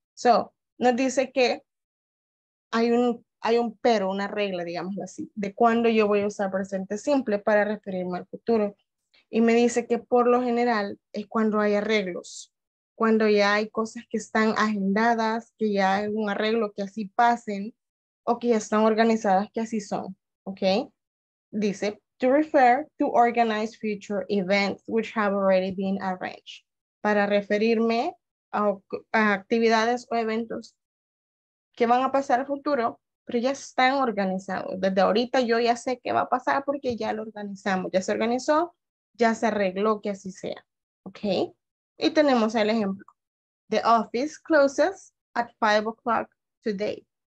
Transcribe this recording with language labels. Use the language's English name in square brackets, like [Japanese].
[Spanish] So, nos dice que hay un pero, una regla, digámoslo así, de cuándo yo voy a usar presente simple para referirme al futuro. Y me dice que por lo general es cuando hay arreglos, cuando ya hay cosas que están agendadas, que ya hay un arreglo que así pasen, o que ya están organizadas, que así son, ¿ok? Dice, [English] to refer to organize future events which have already been arranged. [Spanish] Para referirme a actividades o eventos que van a pasar al futuro, pero ya están organizados. Desde ahorita yo ya sé qué va a pasar porque ya lo organizamos. Ya se organizó, ya se arregló que así sea. ¿Ok? Y tenemos el ejemplo. [English] The office closes at 5 o'clock today.